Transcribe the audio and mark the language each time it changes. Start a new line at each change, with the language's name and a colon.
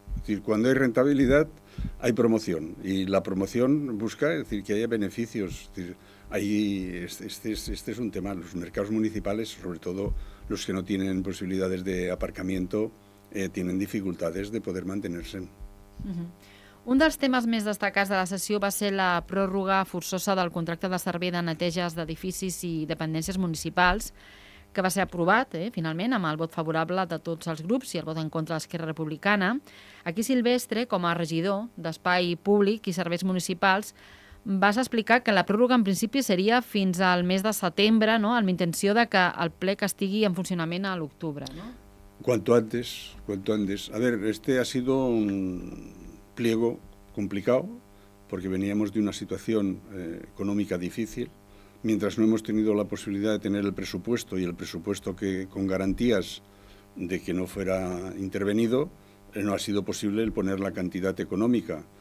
Spanish: Es decir, cuando hay rentabilidad, hay promoción. Y la promoción busca, es decir, que haya beneficios. Es decir, ahí este es un tema. Los mercados municipales, sobre todo los que no tienen posibilidades de aparcamiento, tienen dificultades de poder mantenerse.
Catalan: Un dels temes més destacats de la sessió va ser la pròrroga forçosa del contracte de servei de neteges d'edificis i dependències municipals, que va ser aprovat, finalment, amb el vot favorable de tots els grups i el vot en contra d'Esquerra Republicana. Aquí Silvestre, com a regidor d'Espai Públic i Serveis Municipals, vas explicar que la pròrroga en principi seria fins al mes de setembre, no?, amb intenció de que el ple estigui en funcionament a l'octubre. No?
Spanish: Cuanto antes. A ver, este ha sido un pliego complicado, porque veníamos de una situación económica difícil. Mientras no hemos tenido la posibilidad de tener el presupuesto, y el presupuesto que con garantías de que no fuera intervenido, no ha sido posible el poner la cantidad económica.